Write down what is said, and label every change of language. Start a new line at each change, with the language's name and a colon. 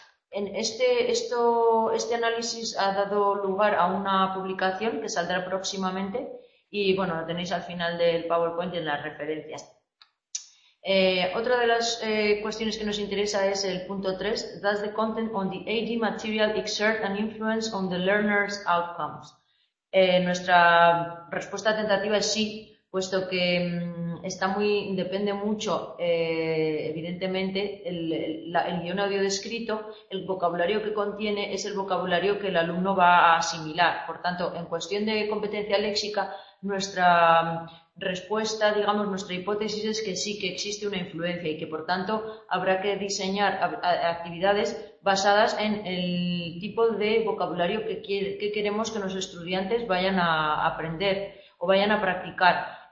Spanish: Este análisis ha dado lugar a una publicación que saldrá próximamente y, bueno, lo tenéis al final del PowerPoint y en las referencias. Otra de las cuestiones que nos interesa es el punto 3.
English: Does the content on the AD material exert an influence on the learner's outcomes?
Spanish: Nuestra respuesta tentativa es sí, puesto que depende mucho, evidentemente, el guión audio descrito, el vocabulario que contiene es el vocabulario que el alumno va a asimilar. Por tanto, en cuestión de competencia léxica, nuestra respuesta, digamos, nuestra hipótesis es que sí, que existe una influencia y que, por tanto, habrá que diseñar actividades basadas en el tipo de vocabulario que queremos que los estudiantes vayan a aprender o vayan a practicar.